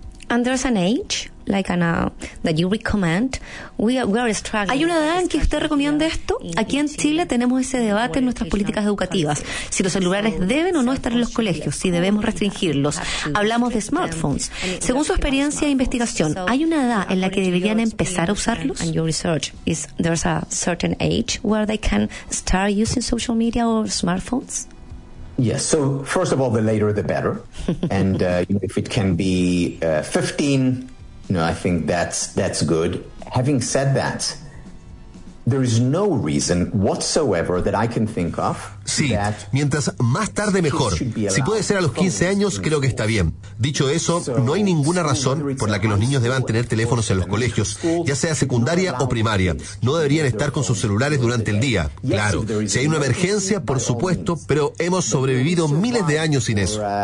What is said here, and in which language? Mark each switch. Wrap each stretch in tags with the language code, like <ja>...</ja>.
<en>And there's an age, like an, that you recommend. We are struggling.</en> <es>¿Hay una edad en que usted recomienda esto? Aquí en Chile tenemos ese debate en nuestras políticas educativas. Si los celulares deben o no estar en los colegios, si debemos restringirlos. Hablamos de smartphones. Según su experiencia e investigación, ¿hay una edad en la que deberían empezar a usarlos?</es> <en>And your research, is there's a certain age where they can start using social media or smartphones? Yes, so first of all, the later the better. And if it can be 15, no, I think that's good. Having said that, there is no reason whatsoever that I can think of.</en> <es>Sí, mientras más tarde mejor. Si puede ser a los 15 años, creo que está bien. Dicho eso, no hay ninguna razón por la que los niños deban tener teléfonos en los colegios, ya sea secundaria o primaria. No deberían estar con sus celulares durante el día. Claro, si hay una emergencia, por supuesto, pero hemos sobrevivido miles de años sin eso.</es>